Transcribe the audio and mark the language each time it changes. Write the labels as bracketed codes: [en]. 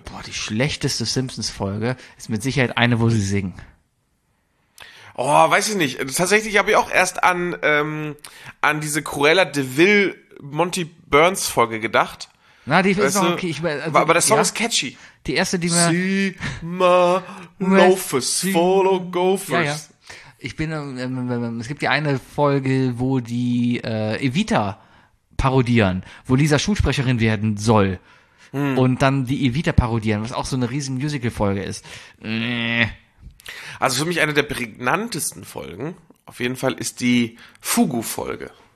[de] Boah, die schlechteste Simpsons-Folge ist mit Sicherheit eine, wo sie singen. Oh, weiß ich nicht. Tatsächlich habe ich auch erst an diese Cruella de Vil Monty Burns Folge gedacht. Na, die weißt ist noch okay. Aber der Song ist catchy. Die erste, die mir... [en] See my loafers, follow gophers. [de] Ja, ja. Ich bin, es gibt die eine Folge, wo die Evita parodieren, wo Lisa Schulsprecherin werden soll. Und dann die Evita parodieren, was auch so eine riesen Musical-Folge ist. Also für mich eine der prägnantesten Folgen, auf jeden Fall, ist die Fugu-Folge.